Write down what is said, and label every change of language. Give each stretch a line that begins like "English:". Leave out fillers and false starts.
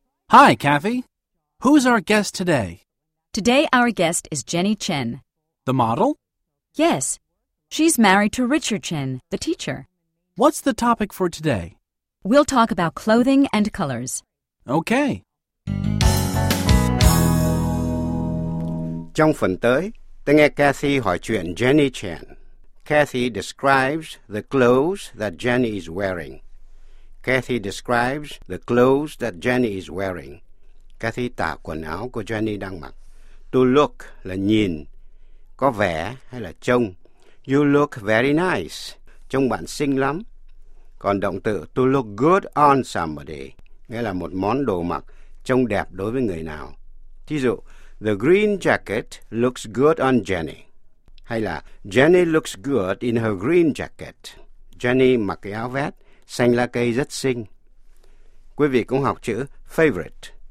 English: Hi, Kathy. Who's our guest today? Today our guest is Jenny Chen. The model? Yes. She's married to Richard Chen, the teacher. What's the topic for today? We'll talk about clothing and colors. Okay.
Vietnamese: Trong phần tới, tôi nghe Kathy hỏi chuyện Jenny Chen.
English: Kathy describes the clothes that Jenny is wearing. Kathy describes the clothes that Jenny is wearing.
Vietnamese: Kathy tả quần áo của Jenny đang mặc.
English: To look
Vietnamese: là nhìn, có vẻ hay là trông.
English: You look very nice,
Vietnamese: trông bạn xinh lắm. Còn động từ
English: to look good on somebody,
Vietnamese: nghĩa là một món đồ mặc trông đẹp đối với người nào. Thí dụ,
English: the green jacket looks good on Jenny.
Vietnamese: Hay là
English: Jenny looks good in her green jacket.
Vietnamese: Jenny mặc cái áo vest xanh lá cây rất xinh. Quý vị cũng học chữ favorite.